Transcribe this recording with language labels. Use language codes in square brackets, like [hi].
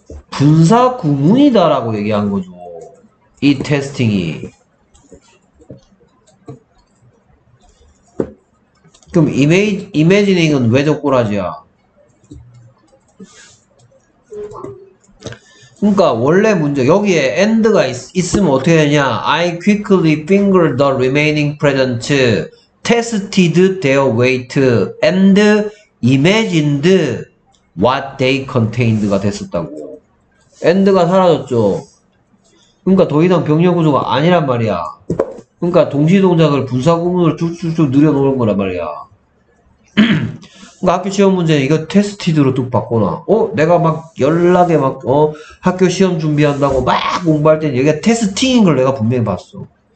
[ko] 분사 구문이다라고 얘기한 거죠. 이 테스팅이. 그럼 이매지닝은 왜 저 꼬라지야? 그러니까 원래 문제 여기에 end가 있으면 어떻게 되냐? [en] I quickly fingered the remaining present, tested their weight, and imagined what they contained [ko] 가 됐었다고. and가 사라졌죠. 그러니까 더 이상 병렬 구조가 아니란 말이야. 그러니까 동시 동작을 분사 구문으로 쭉쭉쭉 늘여 놓은 거란 말이야. 그러니까 학교 시험 문제 이거 테스티드로 뚝 바꿔놔. 어? 내가 막 열나게 막 학교 시험 준비한다고 막 공부할 때 얘가 테스팅인 걸 내가 분명히 봤어.